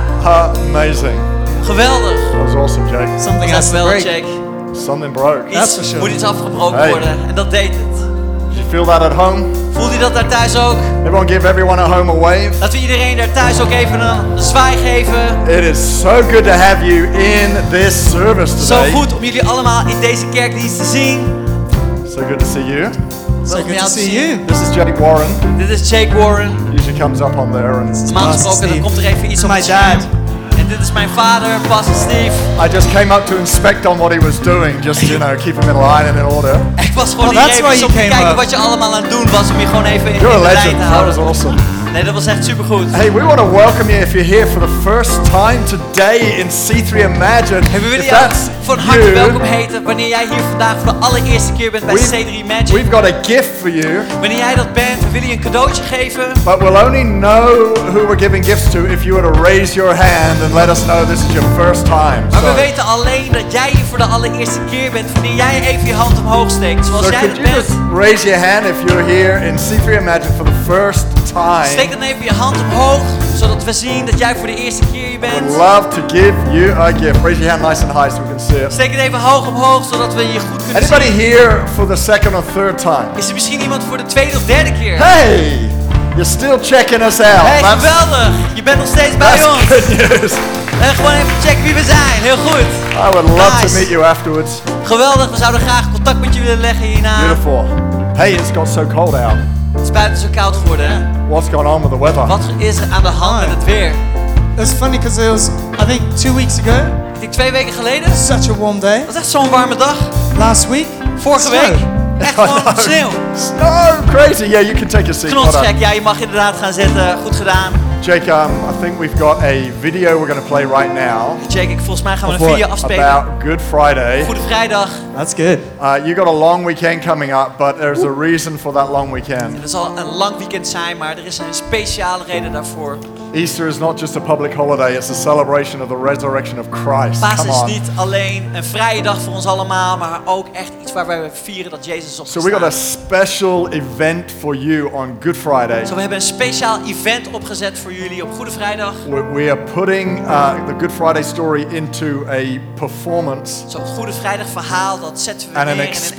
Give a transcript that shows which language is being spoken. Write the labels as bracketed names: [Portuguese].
[English] Amazing. [Dutch] Geweldig. [English] That was awesome, Jake. Something has to break. Something broke. That's for sure. [Dutch] Moet iets afgebroken worden. En dat deed het. [English] Did you feel that at home? [Dutch] Voelt u dat daar thuis ook? [English] Everyone give everyone at home a wave. [Dutch] Laten we iedereen daar thuis ook even een zwaai geven. [English] It is so good to have you in this service today. [Dutch] Zo goed om jullie allemaal in deze kerkdienst te zien. [English] So good to see you. So good to see you. This is Jake Warren. This is Jake Warren. Usually comes up on there and [Dutch] normaal gesproken dan komt er even iets op mijn dad. En dit is mijn vader, Pastor Steve. [English] I just came up to inspect on what he was doing, just you know, keep him in line and in order. [Dutch] Ik was gewoon hier even om te kijken wat je allemaal aan het doen was om je gewoon even in de lijn te houden. [English] That was awesome. [Dutch] Nee, dat was echt supergoed. [English] Hey, we want to welcome you if you're here for the first time today in C3 Imagine. [Dutch] Hey, we willen jou van harte welkom heten wanneer jij hier vandaag voor de allereerste keer bent bij C3 Imagine. [English] We've got a gift for you. [Dutch] Wanneer jij dat bent, we willen je een cadeautje geven. [English] But we'll only know who we're giving gifts to if you were to raise your hand and let us know this is your first time. [Dutch] Maar we weten alleen dat jij hier voor de allereerste keer bent wanneer jij even je hand omhoog steekt, zoals [English] so [Dutch] jij [English] could [Dutch] dat [English] you [Dutch] bent. [English] Just raise your hand if you're here in C3 Imagine for the first time. [Dutch] Steek dan even je hand omhoog, zodat we zien dat jij voor de eerste keer hier bent. [English] We'd love to give you a gift. Raise your hand nice and high so we can see it. [Dutch] Steek het even hoog omhoog, zodat we je goed kunnen zien. [English] Anybody here for the second or third time? [Dutch] Is er misschien iemand voor de tweede of derde keer? [English] Hey, you're still checking us out. [Dutch] Hey, geweldig. Je bent nog steeds bij ons. [English] That's good news. [Dutch] En gewoon even checken wie we zijn. Heel goed. [English] I would love to meet you afterwards. [Dutch] Geweldig. We zouden graag contact met je willen leggen hierna. [English] Beautiful. Hey, it's got so cold out. [Dutch] Het is buiten zo koud geworden. [English] What's going on with the weather? [Dutch] Wat is er aan de hand met het weer? [English] It's funny because it was, I think, 2 weeks ago. [Dutch] Ik denk 2 weken geleden. [English] Such a warm day. [Dutch] Dat was echt zo'n warme dag. [English] Last week. [Dutch] Vorige [English] snow. [Dutch] Week. Echt gewoon sneeuw. [English] Snow, crazy. Yeah, you can take your seat. [Dutch] Knotsgek. Ja, je mag inderdaad gaan zitten. Goed gedaan. [English] Jake, I think we've got a video we're going to play right now. [Dutch] Jake, volgens mij gaan we een video afspelen. [English] About Good Friday. [Dutch] Goede Vrijdag. [English] That's good. You got a long weekend coming up, but there's a reason for that long weekend. [Dutch] Het zal een lang weekend zijn, maar er is een speciale reden daarvoor. [English] Easter is not just a public holiday, it's a celebration of the resurrection of Christ. [Dutch] Paas is niet alleen een vrije dag voor ons allemaal, maar ook echt iets waar we vieren dat Jezus opstaat. [English] So we got a special event for you on Good Friday. [Dutch] Zo, we hebben een speciaal event opgezet voor jullie op Goede Vrijdag. [English] We are putting the Good Friday story into a performance. [Dutch] Zo, het Goede Vrijdag verhaal, dat zetten we neer in